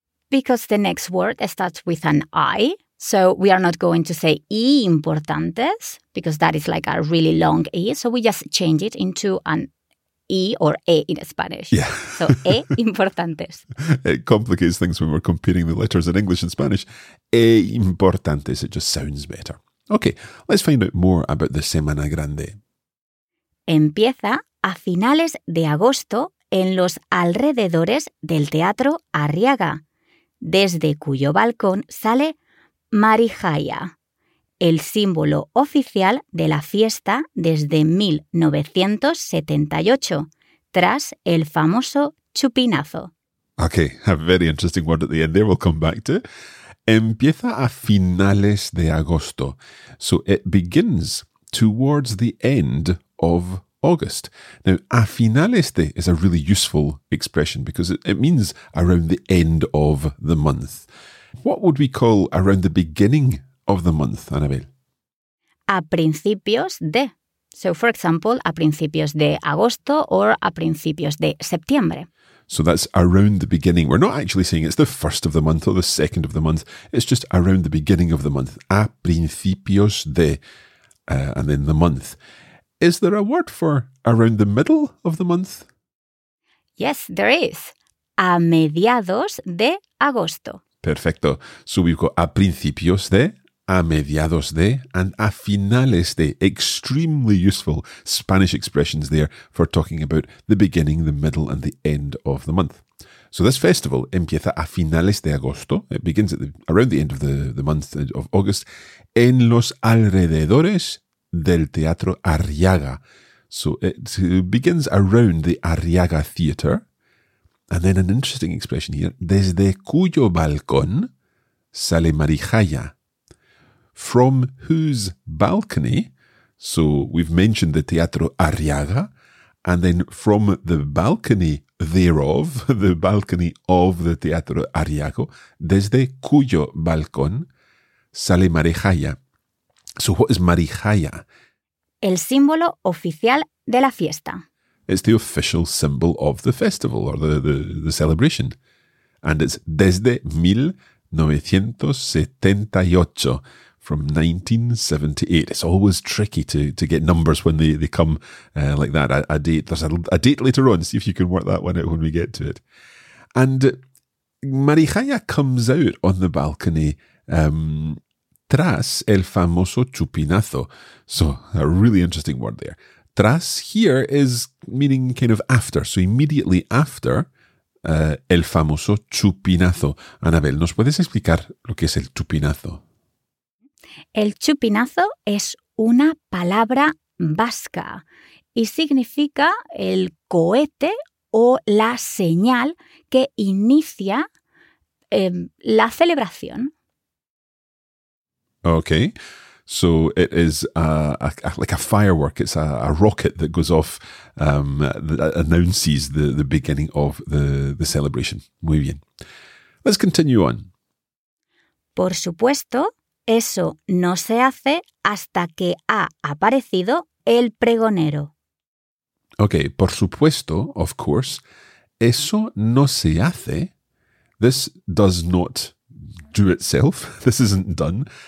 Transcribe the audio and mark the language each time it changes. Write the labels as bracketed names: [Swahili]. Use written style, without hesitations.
[English] Because the next word starts with an I, so we are not going to say e importantes, because that is like a really long e, so we just change it into an e or e in Spanish. Yeah. So e importantes. It complicates things when we're comparing the letters in English and Spanish. [Spanish] E importantes, [English] it just sounds better. Okay, let's find out more about the Semana Grande. [Spanish] Empieza a finales de agosto en los alrededores del Teatro Arriaga, desde cuyo balcón sale Marijaya, el símbolo oficial de la fiesta desde 1978, tras el famoso chupinazo. [English] Okay, a very interesting word at the end there, we'll come back to. [Spanish] Empieza a finales de agosto. [English] So it begins towards the end of August. Now, [Spanish] a finales de [English] is a really useful expression because it means around the end of the month. What would we call around the beginning of the month, Anabel? [Spanish] A principios de, [English] So, for example, [Spanish] a principios de agosto [English] or [Spanish] a principios de septiembre. [English] So that's around the beginning. We're not actually saying it's the first of the month or the second of the month. It's just around the beginning of the month. [Spanish] A principios de, [English] and then the month. Is there a word for around the middle of the month? [Spanish] Yes, there is. A mediados de agosto. [English] Perfecto. So we've got [Spanish] a principios de, a mediados de, [English] and [Spanish] a finales de. [English] Extremely useful Spanish expressions there for talking about the beginning, the middle, and the end of the month. So this festival [Spanish] empieza a finales de agosto. [English] It begins at the, around the end of the month of August. [Spanish] En los alrededores del Teatro Arriaga. [English] So it begins around the Arriaga Theatre. And then an interesting expression here. [Spanish] Desde cuyo balcón sale Marijaya. [English] From whose balcony? So we've mentioned the Teatro Arriaga. And then from the balcony thereof, the balcony of the Teatro Arriaga. Desde cuyo balcón sale Marijaya. So what is Marijaya? [Spanish] El símbolo oficial de la fiesta. [English] It's the official symbol of the festival or the celebration. And it's [Spanish] desde 1978, [English] from 1978. It's always tricky to get numbers when they come like that. A date. There's a date later on. See if you can work that one out when we get to it. And Marijaya comes out on the balcony [Spanish] tras el famoso chupinazo. [English] So a really interesting word there. Tras here is meaning kind of after. So immediately after [Spanish] el famoso chupinazo. Anabel, ¿nos puedes explicar lo que es el chupinazo? El chupinazo es una palabra vasca y significa el cohete o la señal que inicia la celebración. [English] Okay. So it is like a firework. It's a rocket that goes off, that announces the beginning of the celebration. [Spanish] Muy bien. [English] Let's continue on. [Spanish] Por supuesto, eso no se hace hasta que ha aparecido el pregonero. [English] Okay. [Spanish] Por supuesto, [English] of course, [Spanish] eso no se hace. [English] This does not do itself. This isn't done.